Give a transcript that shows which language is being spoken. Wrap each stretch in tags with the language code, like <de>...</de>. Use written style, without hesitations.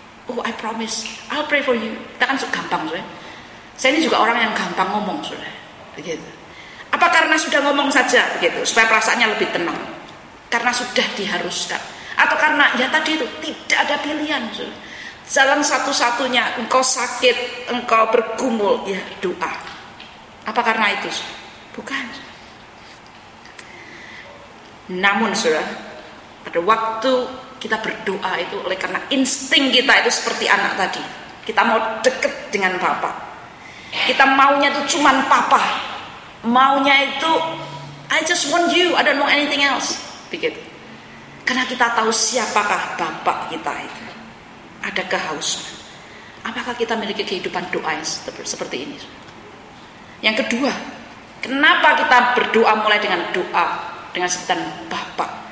<en>Oh, I promise, I'll pray for you.</en> <id>Kita kan gampang, Saudara. Saya ini juga orang yang gampang ngomong, Saudara. Begitu. Apa karena sudah ngomong saja begitu supaya perasaannya lebih tenang? Karena sudah diharuskan. Atau karena ya tadi itu tidak ada pilihan. Jalan satu-satunya, engkau sakit, engkau bergumul, ya doa. Apa karena itu? Bukan. Namun sudah pada waktu kita berdoa itu oleh karena insting kita itu seperti anak tadi. Kita mau dekat dengan Papa. Kita maunya itu cuma Papa. Maunya itu</id> <en>I just want you, I don't want anything else.</en> <id>Begitu. Karena kita tahu siapakah Bapak kita itu. Ada kehausan. Apakah kita memiliki kehidupan doa seperti ini? Yang kedua, kenapa kita berdoa mulai dengan doa dengan sebutan Bapak?</id>